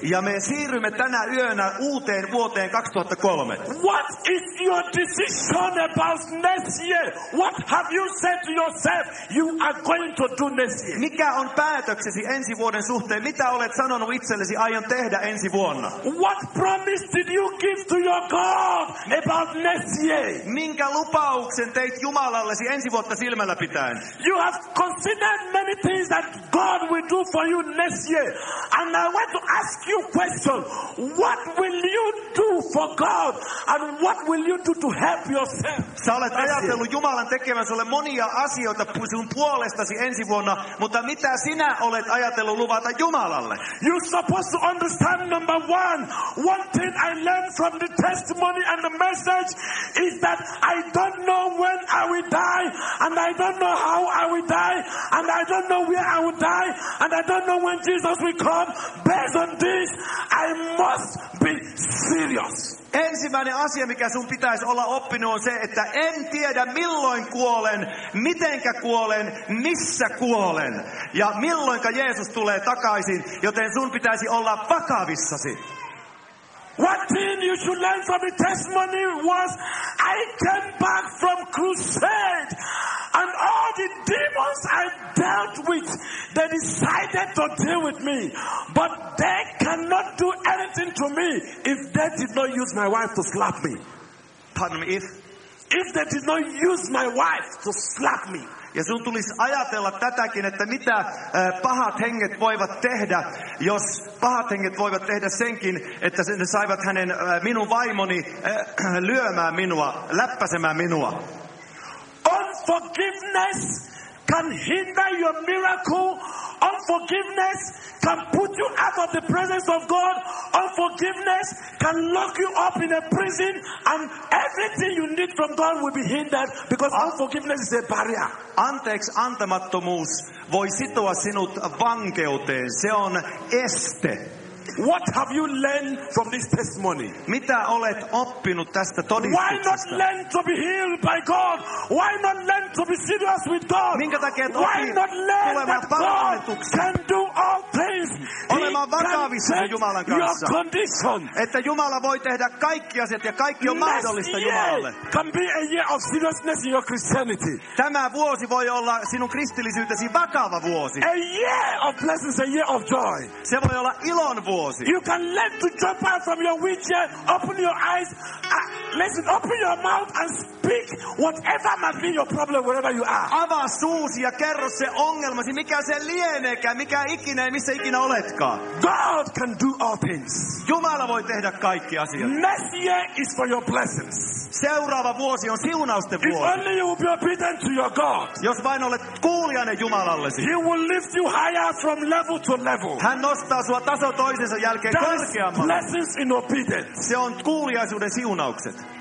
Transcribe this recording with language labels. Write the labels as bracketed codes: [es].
[fi] Ja me siirrymme tänä yönä uuteen vuoteen 2003. [en] What is your decision about next year? What have you said to yourself you are going to do next year? [fi] Mikä on päätöksesi ensi vuoden suhteen? Mitä olet sanonut itsellesi aion tehdä ensi vuonna? [en] What promise did you give to your God about next year? [fi] Minkä lupauksen teit Jumalallesi ensi vuotta silmällä pitäen? [en] You have considered many things that God will do for you next year. And I want to ask you a question. What will you do for God? And what will you do to help yourself? [fi] Sä olet ajatellut Jumalan tekevän sulle monia asioita sun puolestasi ensi vuonna, mutta mitä sinä olet ajatellut luvata Jumalalle? [en] You're supposed to understand number one thing I learned from the testimony and the message is that I don't know when I will die, and I don't know how I will die, and I don't know where I will die, and I don't know when Jesus will come. Based on this, I must be serious. [fi] Ensimmäinen asia, mikä sun pitäisi olla oppinut, on se, että en tiedä milloin kuolen, mitenkä kuolen, missä kuolen ja milloinka Jeesus tulee takaisin, joten sun pitäisi olla vakavissasi. [en] What thing you should learn from the testimony was I came back from crusade and all the demons I dealt with, they decided to deal with me, but they cannot do anything to me if they did not use my wife to slap me. Pardon me, if they did not use my wife to slap me. [fi] Ja sun tulisi ajatella tätäkin, että mitä pahat henget voivat tehdä, jos pahat henget voivat tehdä senkin, että ne saivat hänen minun vaimoni lyömään minua, läppäsemään minua. [en] Unforgiveness can hinder your miracle. Unforgiveness can put you out of the presence of God. Unforgiveness can lock you up in a prison, and everything you need from God will be hindered because unforgiveness is a barrier. [fi] Anteeksi antamattomuus voi sitoa sinut vankeuteen. Se on este. [en] What have you learned from this testimony? [fi] Mitä olet oppinut tästä todistuksesta? [en] Why not learn to be healed by God? Why not learn to be serious with God? [fi] Minkä takia et opi? [en] Why not learn that God can do all things? [fi] Olemaan vakavissa Jumalan kanssa. [en] Your condition. [fi] Että Jumala voi tehdä kaikki asiat ja kaikki on mahdollista Jumalalle. [en] Can be a year of seriousness in your Christianity. [fi] Tämä vuosi voi olla sinun kristillisyytesi vakava vuosi. [en] A year of blessings, a year of joy. [fi] Se voi olla ilon. [en] You can learn to jump out from your wheelchair, open your eyes, listen, open your mouth and speak whatever might be your problem wherever you are. [fi] Avaa suusi ja kerro se ongelmasi, mikä se lieneekään, mikä ikinä ja missä ikinä oletkaan. [en] God can do all things. [fi] Jumala voi tehdä kaikki asiat. [en] Next year is for your blessings. [fi] Seuraava vuosi on siunausten vuosi. [en] If only you will be obedient to your God. [fi] Jos vain olet kuulijainen Jumalallesi. [en] He will lift you higher from level to level. [fi] Hän nostaa sua taso toisensa jälkeen korkeammalle. [en] Blessings in obedience. [fi] Se on kuulijaisuuden siunaukset.